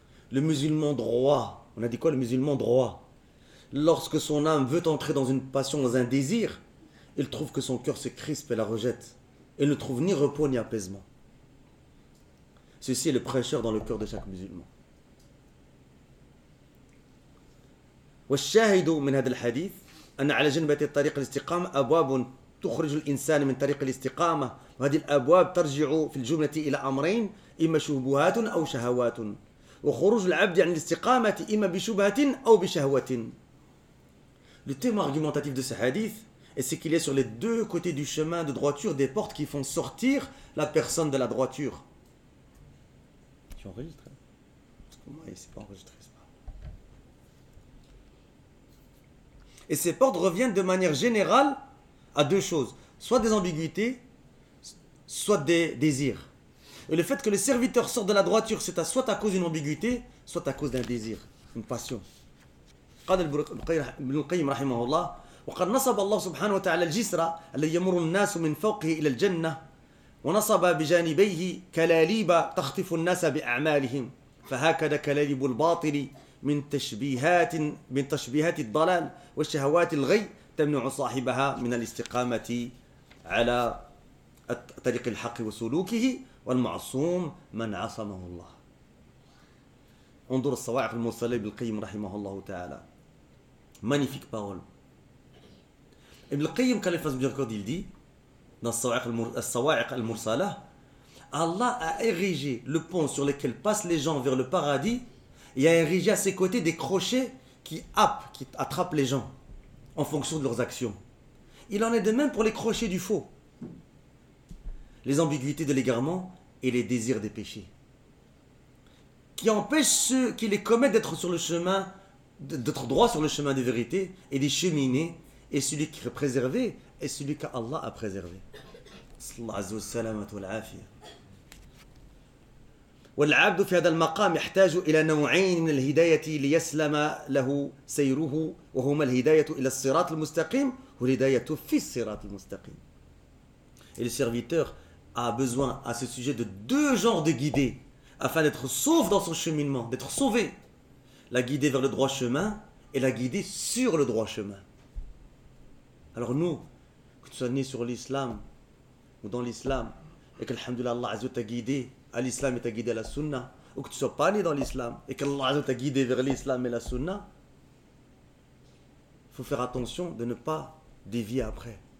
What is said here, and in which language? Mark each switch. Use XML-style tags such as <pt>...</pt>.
<fr>Le musulman droit, on a dit quoi le musulman droit? Lorsque son âme veut entrer dans une passion, dans un désir, il trouve que son cœur se crispe et la rejette. Il ne trouve ni repos ni apaisement. Ceci est le prêcheur dans le cœur de chaque musulman.</fr> <ar>والشاهد من هذا الحديث أن على جنبتي الطريق الاستقامة أبواب تخرج الإنسان من طريق الاستقامة وهذه الأبواب ترجع في الجملة إلى أمرين إما شبهات أو شهوات وخروج العبد عن الاستقامة إما بشبهة أو بشهوة.</ar> <fr>Le thème argumentatif de ce hadith est ce qu'il y a sur les deux côtés du chemin de droiture des portes qui font sortir la personne de la droiture. Tu enregistres ? Comment c'est pas enregistré, c'est pas. Et ces portes reviennent de manière générale à deux choses, soit des ambiguïtés, soit des désirs. Et le fait que le serviteur sorte de la droiture, c'est soit à cause d'une ambiguïté, soit à cause d'un désir, une passion.</fr> <ar>قال ابن القيم رحمه الله وقد نصب الله سبحانه وتعالى الجسر الذي يمر الناس من فوقه إلى الجنة ونصب بجانبيه كلاليب تخطف الناس بأعمالهم فهكذا كلاليب الباطل من تشبيهات الضلال والشهوات الغي تمنع صاحبها من الاستقامة على طريق الحق وسلوكه والمعصوم من عصمه الله انظر الصواعق الموصلة ابن القيم رحمه الله تعالى.</ar> <fr>Magnifique parole. Ibn al-Qayyim, quand il fasse miséricorde, il dit, dans Sawa'iq al-Mursalah, Allah a érigé le pont sur lequel passent les gens vers le paradis et a érigé à ses côtés des crochets qui attrapent les gens en fonction de leurs actions. Il en est de même pour les crochets du faux, les ambiguïtés de l'égarement et les désirs des péchés, qui empêchent ceux qui les commettent d'être sur le chemin d'être droit sur le chemin de vérité et d'y cheminer, et celui qui est préservé est celui qu'Allah a préservé.</fr> <ar>Sallallahu alayhi wa sallam wa al-afiyah. والعبد في هذا المقام يحتاج إلى نوعين من الهداية ليسلم له سيره وهما الهداية إلى الصراط المستقيم والهداية في الصراط المستقيم.</ar> <fr>Et le serviteur a besoin à ce sujet de deux genres de guidés afin d'être sauf dans son cheminement, d'être sauvé. La guider vers le droit chemin et la guider sur le droit chemin. Alors nous, que tu sois né sur l'islam ou dans l'islam, et qu'Alhamdoulilah Allah Azza wa Jalla t'a guidé à l'islam et t'a guidé à la sunna, ou que tu ne sois pas né dans l'islam et qu'Allah Azza wa Jalla t'a guidé vers l'islam et la sunna, il faut faire attention de ne pas dévier après.</fr>